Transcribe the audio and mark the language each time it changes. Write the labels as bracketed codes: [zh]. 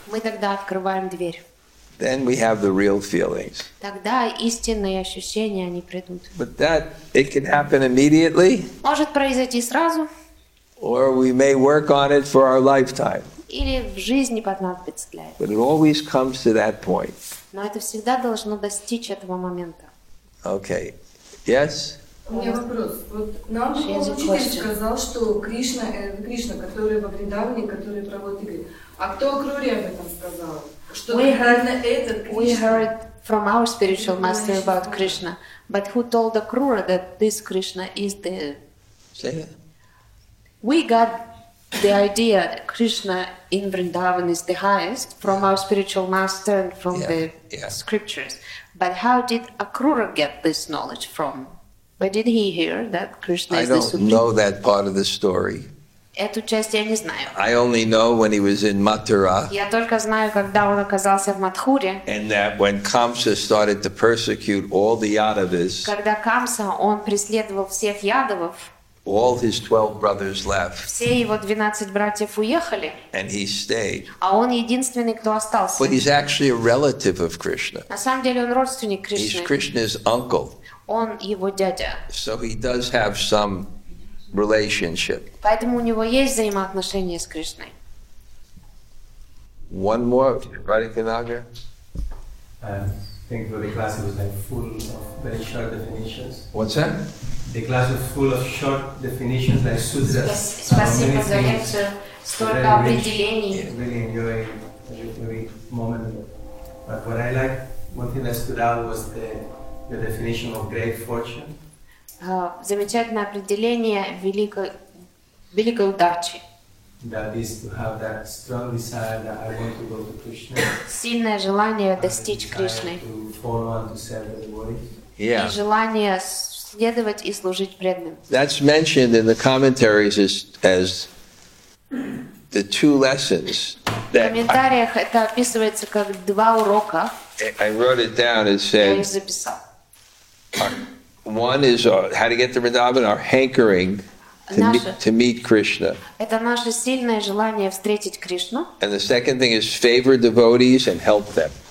[ru] Мы тогда открываем дверь. [en] Then we have the real feelings. [ru] Тогда истинные ощущения они придут. [en] But that it can happen immediately. [ru] Может произойти сразу. [en] Or we may work on it for our lifetime. [ru] Или в жизни понадобится для этого. [en] But it always comes to that point. [ru] Но это всегда должно достичь этого момента. [en] Okay. Yes? [ru] У меня вопрос. Вот нам учитель сказал, что Кришна, Кришна, который во Вриндаване, который проводит игры. А кто Акруре об этом сказал? Что конкретно этот Кришна? [en] We heard from our spiritual master about Krishna. But who told Акрура that this Krishna is the... Say that. We got the idea that Krishna in Vrindavan is the highest from our spiritual master and from scriptures. But how did Akrura get this knowledge from? Where did he hear that Krishna is the supreme? I don't know that part of the story. [ru] Эту часть я не знаю. [en] I only know when he was in Mathura. [ru] Я только знаю, когда он оказался в Матхуре. [en] And that when Kamsa started to persecute all the Yadavas. [ru] Когда Камса, он преследовал всех Ядавов. [en] All his 12 brothers left. [ru] Все его 12 братьев уехали. [en] And he stayed. [ru] А он единственный, кто остался. [en] But he's actually a relative of Krishna. [ru] На самом деле он родственник Кришны. [en] He's Krishna's uncle. [ru] Он его дядя. [en] So he does have some relationship. [ru] Поэтому у него есть взаимоотношения с Кришной. [en] One more, Radhika Nagar. Thank you for the class. It was like full of very short definitions. What's that? The class was full of short definitions like sutras. [ru] Спасибо за лекцию. Столько определений. [en] Really enjoy every moment. But what I like, one thing that stood out was the definition of great fortune. [ru] Замечательное определение великой удачи. [en] That is to have that strong desire that I want to go to Krishna. [ru] Сильное желание достичь Кришны. [en] Yeah. [ru] И желание следовать и служить преданным. [en] That's mentioned in the commentaries as the two lessons. [ru] В комментариях это описывается как два урока. [en] I wrote it down. It said. [ru] Я их записал. [en] One is how to get to Vrindavan. Our hankering. To meet Krishna. [ru] Это наше сильное желание встретить Кришну. [en] And the second thing is favor devotees and help them.